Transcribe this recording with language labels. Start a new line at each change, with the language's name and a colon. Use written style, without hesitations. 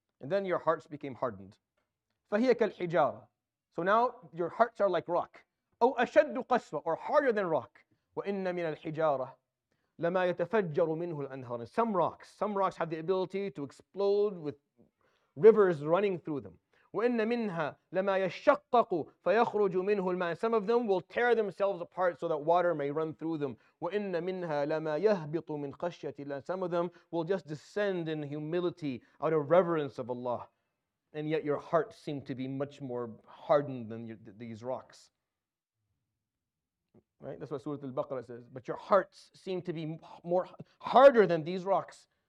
English: And then your hearts became hardened.
Arabic: فَهِيَ كَالْحِجَارَ.
English: So now your hearts are like rock.
Arabic: أَوْ أَشَدُّ قَسْوَةً,
English: or harder than rock.
Arabic: وَإِنَّ مِنَ الْحِجَارَةِ. لما يتفجر منه الأنهار.
English: Some rocks have the ability to explode with rivers running through them.
Arabic: وإن منها لما يشقق فيخرج منه الماء.
English: Some of them will tear themselves apart so that water may run through them.
Arabic: وإن منها لما يهبط من خشية الله.
English: Some of them will just descend in humility out of reverence of Allah. And yet your heart seem to be much more hardened than these rocks. Right? That's what Surah Al-Baqarah says. But your hearts seem to be more harder than these rocks.